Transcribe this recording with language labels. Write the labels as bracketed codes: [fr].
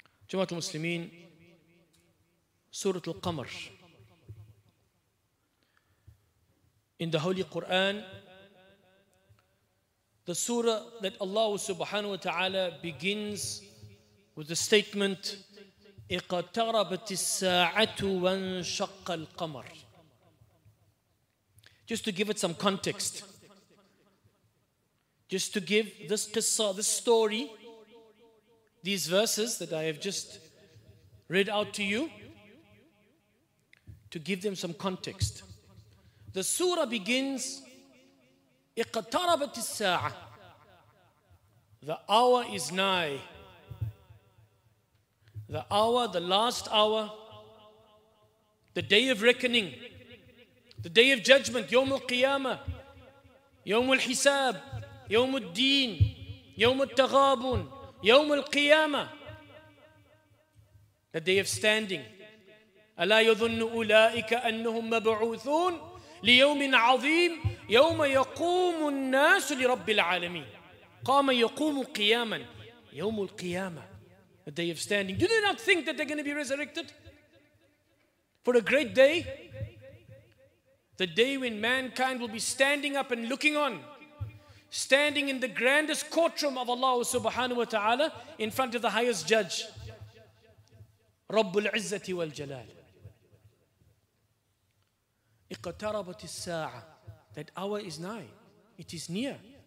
[ar] جماعة المسلمين سورة القمر [en] In the Holy Quran, The surah that Allah subhanahu wa ta'ala begins with the statement, [ar] اِقَتَرَبَتِ السَّاعَةُ وَانْشَقَّ الْقَمَرِ [en] Just to give it some context. Just to give this qissa, this story, these verses that I have just read out to you, to give them some context. The surah begins, [ar] اِقَتَرَبَتِ السَّاعَةُ [en] The hour is nigh. The hour, the last hour, the day of reckoning, the day of judgment, [ar] يوم القيامة, يوم الحساب, يوم الدين, يوم التغابن, يوم القيامة, [en] the day of standing. [ar] ألا يظن أولئك أنهم مبعوثون ليوم عظيم يوم يقوم الناس لرب العالمين. قام يقوم قياما يوم القيامة [en] the day of standing do they not think that they're going to be resurrected for a great day the day when mankind will be standing up and looking on standing in the grandest courtroom of Allah subhanahu wa ta'ala in front of the highest judge [ar] رب العزة والجلال اقتربت الساعة [en] that hour is nigh it is near